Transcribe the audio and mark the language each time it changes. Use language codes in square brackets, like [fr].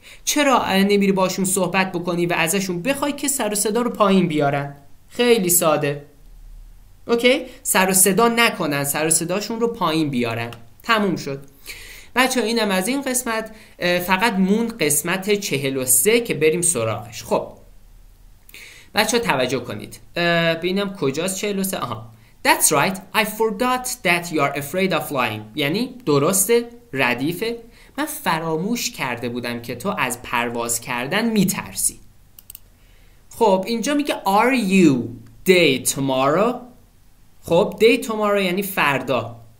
[fa] چرا نمیری باشون صحبت بکنی و ازشون بخوای که سر و صدا رو پایین بیارن؟ خیلی ساده، اوکی؟ سر و صدا نکنن، سر و صداشون رو پایین بیارن، تموم شد. بچه اینم از این قسمت، فقط مون قسمت 43 که بریم سراغش. خب بچه توجه کنید، ببینم کجاست 43. [en] آها، That's right, I forgot that you're afraid of flying. [fa] یعنی درسته، ردیفه، من فراموش کرده بودم که تو از پرواز کردن میترسی. خب اینجا میگه [en] Are you day tomorrow؟ [fa] خب day tomorrow یعنی فردا.